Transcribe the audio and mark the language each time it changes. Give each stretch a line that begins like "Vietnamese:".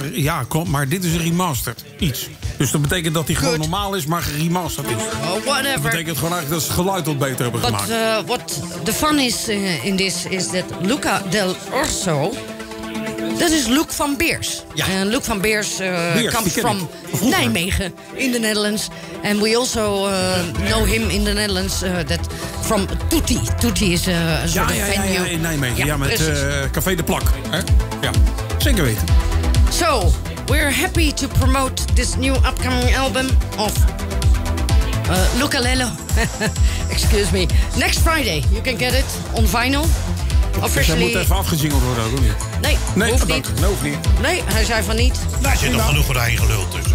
Dutch: Ja, kom, maar dit is een remastered iets. Dus dat betekent dat hij gewoon normaal is, maar geremasterd is.
English: Oh, whatever.
Dutch: Dat betekent gewoon eigenlijk dat ze het geluid wat beter hebben gemaakt.
English: What the fun is in this is that Luca del Orso,
Dutch: dat is Luc van Beers. Ja.
English: En Luc van Beers, Beers comes from Nijmegen in the Netherlands. And we also know him in the Netherlands that from Tutti.
Dutch: Tutti is een soort venue. Ja, in Nijmegen. Ja met Café de Plak. Hè? Ja, zeker weten.
English: So, we're happy to promote this new upcoming album of Luca Lelo. Excuse me. Next Friday, you can get it on vinyl. officially...
Dutch: Zij moet even afgejingeld worden, hoor niet? Nee, hoeft niet. Nee, hij zei van niet. Daar zit nog genoeg doorheen geluld tussen.